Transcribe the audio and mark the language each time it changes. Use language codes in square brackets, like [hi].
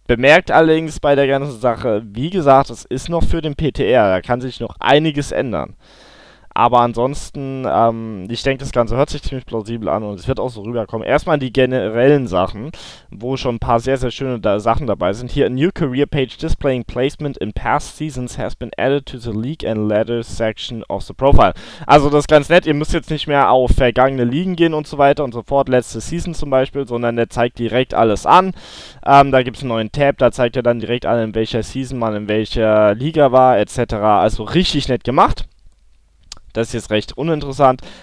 [de] Bemerkt allerdings bei der ganzen Sache, wie gesagt, es ist noch für den PTR. Da kann sich noch einiges ändern. Aber ansonsten, ich denke, das Ganze hört sich ziemlich plausibel an und es wird auch so rüberkommen. Erstmal die generellen Sachen, wo schon ein paar sehr, sehr schöne Sachen dabei sind. [en] Hier, a new career page displaying placement in past seasons has been added to the league and ladder section of the profile. [de] Also das ist ganz nett, ihr müsst jetzt nicht mehr auf vergangene Ligen gehen und so weiter und so fort, letzte Season zum Beispiel, sondern der zeigt direkt alles an. Da gibt es einen neuen Tab, da zeigt er dann direkt an, in welcher Season man in welcher Liga war, etc. Also richtig nett gemacht. Das ist jetzt recht uninteressant.